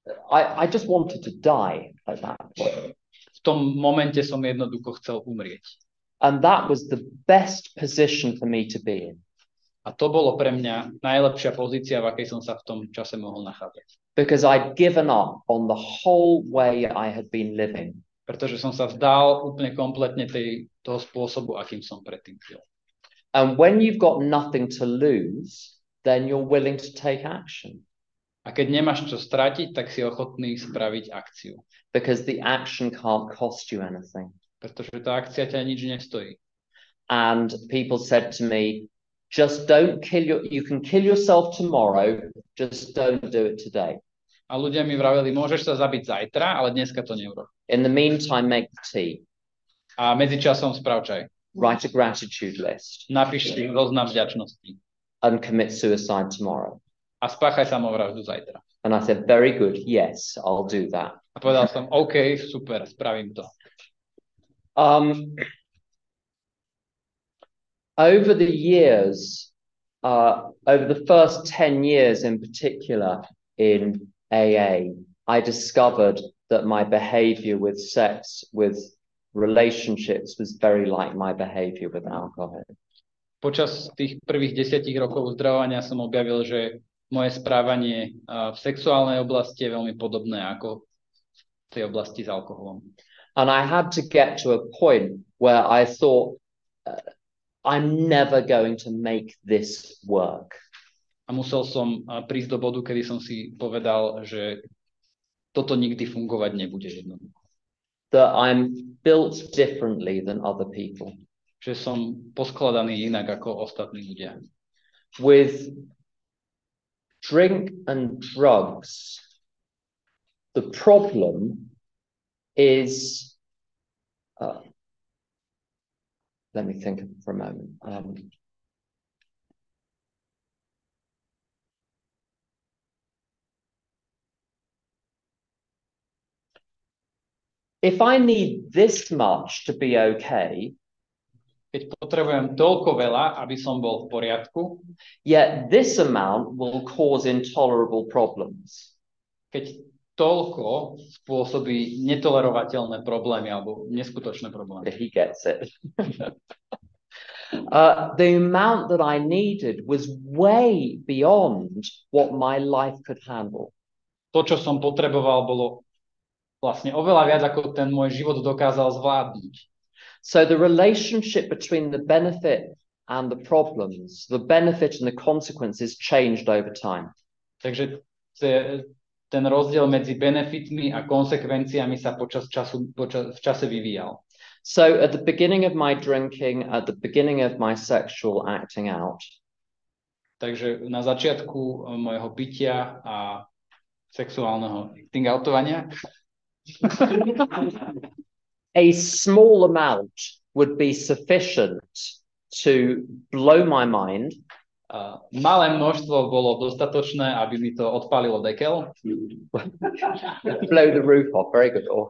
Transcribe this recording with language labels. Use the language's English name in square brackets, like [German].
[English] I just wanted to die at that point. [Slovak] V tom momente som jednoducho chcel umrieť. [English] And that was the best position for me to be in. [Slovak] A to bolo pre mňa najlepšia pozícia, v akej som sa v tom čase mohol nachádzať. [English] Because I'd given up on the whole way I had been living. [Slovak] Pretože som sa vzdal úplne kompletne toho spôsobu, akým som predtým žil. [English] And when you've got nothing to lose, then you're willing to take action. [Slovak] A keď nemáš čo stratiť, tak si ochotný spraviť akciu. [English] Because the action can't cost you anything. [Slovak] Pretože tá akcia ťa nič nestojí. [English] And people said to me, just don't kill you can kill yourself tomorrow, just don't do it today. [Slovak] A ľudia mi vraveli, môžeš sa zabiť zajtra, ale dneska to neurob. [English] In the meantime, make tea. [Slovak] A medzičasom sprav čaj. [English] Write a gratitude list. [Slovak] Napíš si zoznam vďačnosti. [English] And commit suicide tomorrow. [Slovak] A spáchaj samovraždu zajtra. [English] And I said, very good, yes, I'll do that. [Slovak] A povedal som, OK, super, spravím to. [English] Over the years, over the first 10 years in particular in AA, I discovered that my behavior with sex, with relationships was very like my behavior with alcohol. [Slovak] Počas tých prvých 10 rokov uzdravovania som objavil, že moje správanie v sexuálnej oblasti je veľmi podobné ako v tej oblasti s alkoholom. [English] And I had to get to a point where I thought, I'm never going to make this work. [Slovak] A musel som prísť do bodu, kedy som si povedal, že toto nikdy fungovať nebude jednoducho. [English] That I'm built differently than other people. [Slovak] Že som poskladaný inak ako ostatní ľudia. [English] With drink and drugs, the problem is let me think for a moment. If I need this much to be okay, [Slovak] keď potrebujem toľko veľa, aby som bol v poriadku, [English] yet this amount will cause intolerable problems. [Slovak] Keď toľko spôsobí netolerovateľné problémy alebo neskutočné problémy. [English] He gets it. The amount that I needed was way beyond what my life could handle. [Slovak] To, čo som potreboval, bolo vlastne oveľa viac, ako ten môj život dokázal zvládnuť. [English] So the relationship between the benefit and the problems, the benefit and the consequences changed over time. [Slovak] Takže ten rozdiel medzi benefitmi a konsekvenciami sa v čase vyvíjal. [English] So at the beginning of my drinking, at the beginning of my sexual acting out, [Slovak] Takže na začiatku mojho pitia a sexuálneho tingaltovania. [English] A small amount would be sufficient to blow my mind. [Slovak] Malé množstvo bolo dostatočné, aby mi to odpalilo dekel. [English] Blow the roof off, very good.